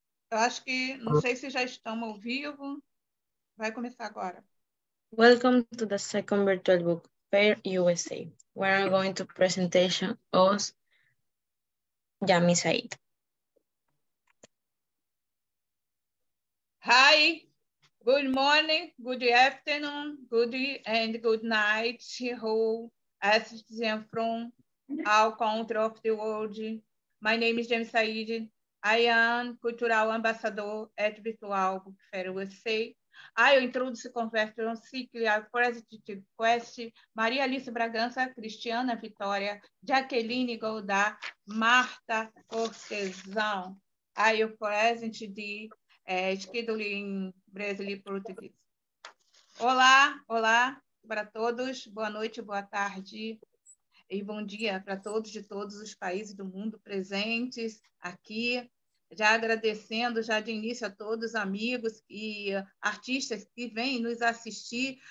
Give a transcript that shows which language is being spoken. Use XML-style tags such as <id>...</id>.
<pt>Eu acho que, não sei se já estamos ao vivo, vai começar agora.</pt> <en>Welcome to the second virtual book fair USA. We are going to presentation of Yami Said. Hi, good morning, good afternoon, good and good night, who assists from all country of the world. My name is Yami Said. I am cultural ambassador at virtual book fair USA. I introduce conversation cycle of positive quest, Maria Alice Bragança, Cristiana Vitória, Jaqueline Goldá, Marta Cortesão. I am present the schedule in Brazilian Portuguese.</en> <pt>Olá, olá para todos, boa noite, boa tarde. E bom dia para todos de todos os países do mundo presentes aqui. Já agradecendo já de início a todos os amigos e artistas que vêm nos assistir.</pt>